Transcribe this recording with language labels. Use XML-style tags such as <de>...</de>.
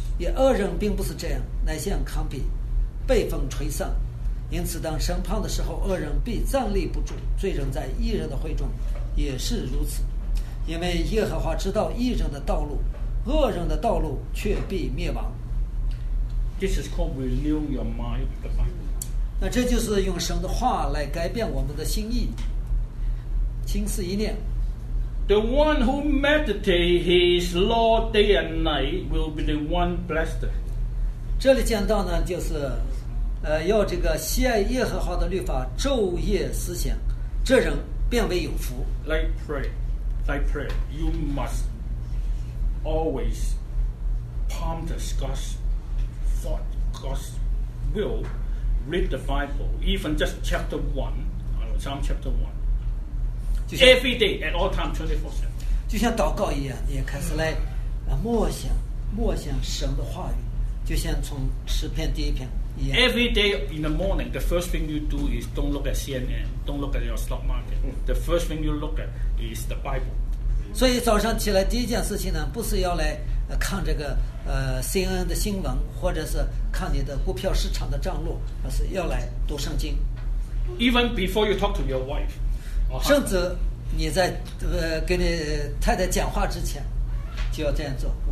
<zh>也恶人并不是这样，乃像糠秕被风吹散，因此当审判的时候，恶人必站立不住，罪人在义人的会中也是如此。因为耶和华知道义人的道路，恶人的道路却必灭亡。</zh> <en>This is called renewing your mind.</en> <zh>那这就是用神的话来改变我们的心意，心思一念。</zh> <en>The one who meditates his law day and night will be the one blessed.</en> <zh>这里讲到呢，就是，要这个喜爱耶和华的律法，昼夜思想，这人变为有福。</zh> <en>Like pray. Like prayer, you must always ponder God's thought, God's will. Read the Bible, even just chapter 1, Psalm chapter 1. Every day, at all times, 24/7.</en> <zh>就像祷告一样，你也开始来默想，默想神的话语，就像从诗篇第一篇一样。</zh> <en>Every day in the morning, the first thing you do is don't look at CNN, don't look at your stock market. The first thing you look at is the Bible.</en> <zh>所以早上起来第一件事情呢，不是要来看这个CNN 的新闻，或者是看你的股票市场的账目，而是要来读圣经。</zh> <en>Even before you talk to your wife,</en> <zh>甚至你在跟你太太讲话之前，就要这样做。</zh>